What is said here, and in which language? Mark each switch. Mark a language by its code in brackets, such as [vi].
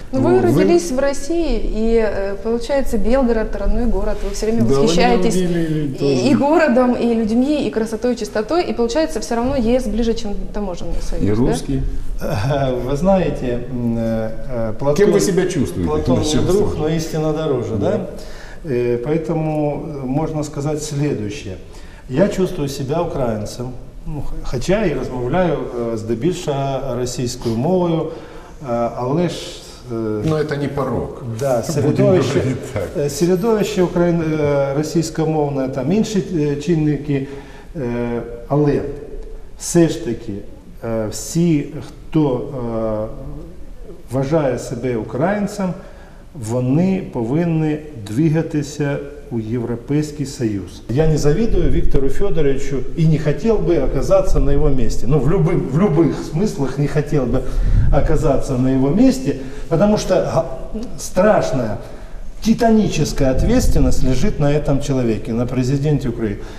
[ru] Но вы родились в России, и получается Белгород, родной город, вы все время восхищаетесь и городом, и людьми, и красотой, и чистотой, и получается все равно ЕС ближе, чем таможенный союз. И русский. Да? Вы знаете, Платон... Кем вы себя чувствуете? Платон не друг, но истина дороже, да? Поэтому можно сказать следующее. Я чувствую себя украинцем. [uk] Ну, хотя я розмовляю здебільша російською мовою, але ж... Ну, це не порог. Да, середовище російськомовне, там інші чинники, але все ж таки всі, хто вважає себе українцем, вони повинні двигатися у Европейский Союз. [ru] Я не завидую Виктору Федоровичу и не хотел бы оказаться на его месте. Ну, в любых смыслах не хотел бы оказаться на его месте, потому что страшная, титаническая ответственность лежит на этом человеке, на президенте Украины.